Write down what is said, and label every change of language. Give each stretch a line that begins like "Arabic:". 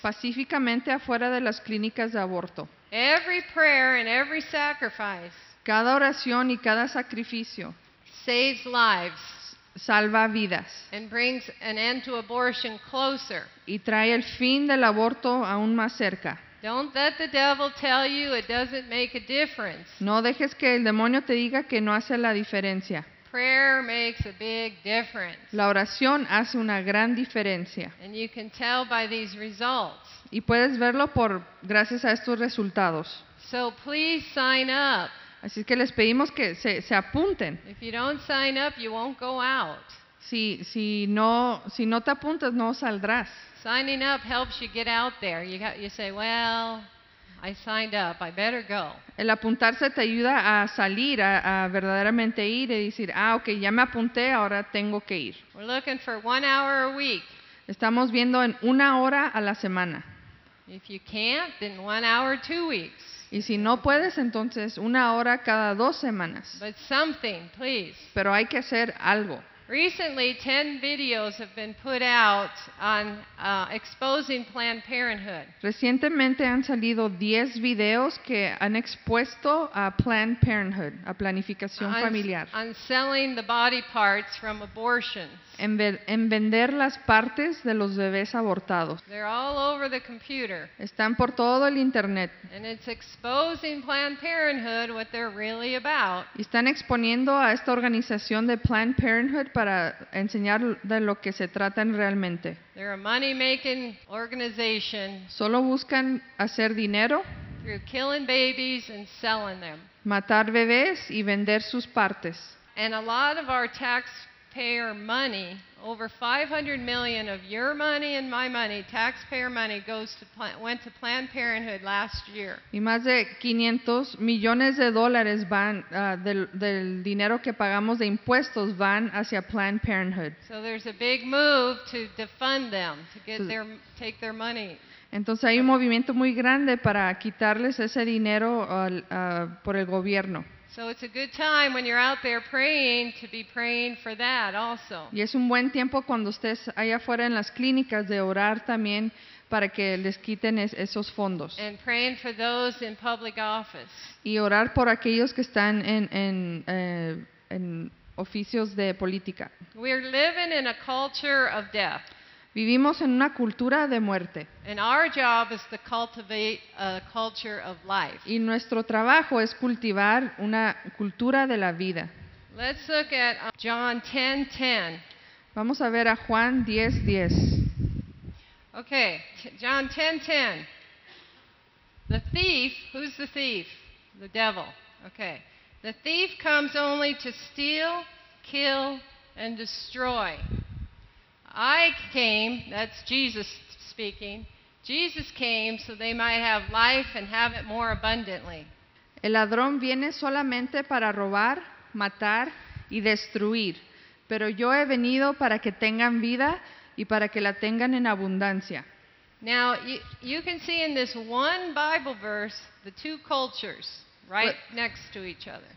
Spanish: Pacíficamente afuera de las clínicas de aborto.
English: Every prayer and every sacrifice.
Spanish: Cada oración y cada sacrificio
English: saves lives.
Spanish: Salva vidas.
English: And brings an end to abortion closer.
Spanish: Y trae el fin del aborto aún más cerca.
English: Don't let the devil tell you it doesn't make a difference.
Spanish: No dejes que el demonio te diga que no hace la diferencia.
English: Prayer makes a big difference.
Spanish: La oración hace una gran diferencia.
English: And you can tell by these results.
Spanish: Y puedes verlo por gracias a estos resultados.
English: So please sign up.
Spanish: Así que les pedimos que se apunten.
English: If you don't sign up, you won't go out.
Spanish: Si no te apuntas, no saldrás.
English: Signing up helps you get out there. You say, well, I signed up, I better go.
Spanish: El apuntarse te ayuda a salir, a verdaderamente ir y decir, ah, okay, ya me apunté, ahora tengo que ir.
English: We're looking for 1 hour a week.
Spanish: Estamos viendo en 1 hora a la semana.
English: If you can't, then 1 hour 2 weeks.
Spanish: Y si no puedes, entonces 1 hora cada 2 semanas.
English: But something, please.
Spanish: Pero hay que hacer algo.
English: Recently, 10 videos have been put out on exposing Planned Parenthood.
Spanish: Recientemente han salido 10 videos que han expuesto a Planned Parenthood, a planificación familiar.
English: On selling the body parts from abortions.
Spanish: En vender las partes de los bebés abortados.
English: They're all over the computer.
Spanish: Están por todo el internet.
English: And it's exposing Planned Parenthood what they're really about.
Spanish: Y están exponiendo a esta organización de Planned Parenthood para enseñar de lo que se tratan realmente.
English: They're a money-making organization.
Spanish: Solo buscan hacer dinero.
English: Through killing babies and selling them.
Spanish: Matar bebés y vender sus partes.
English: And a lot of our taxpayer money, over 500 million of your money and my money, taxpayer money went to Planned Parenthood last year.
Spanish: Y más de 500 millones de dólares van del dinero que pagamos de impuestos van hacia Planned Parenthood.
English: So there's a big move to defund them, to get take their money.
Spanish: Entonces hay un movimiento muy grande para quitarles ese dinero por el gobierno.
English: So it's a good time when you're out there praying to be praying for that also.
Spanish: Y es un buen tiempo cuando estés allá afuera en las clínicas de orar también para que les quiten esos fondos.
English: And praying for those in public office.
Spanish: Y orar por aquellos que están en oficios de política.
English: We're living in a culture of death.
Spanish: Vivimos en una cultura de muerte.
English: And our job is to cultivate a culture of life.
Spanish: Y nuestro trabajo es cultivar una cultura de la vida.
English: Let's look at John 10:10.
Spanish: Vamos a ver a Juan 10:10.
English: Okay, John 10:10. The thief, who's the thief? The devil. Okay. The thief comes only to steal, kill, and destroy. I came, that's Jesus speaking. Jesus came so they might have life and have it more abundantly.
Spanish: El ladrón viene solamente para robar, matar y destruir. Pero yo he venido para que tengan vida y para que la tengan en abundancia.
English: Now, you can see in this one Bible verse the two cultures right next to each other.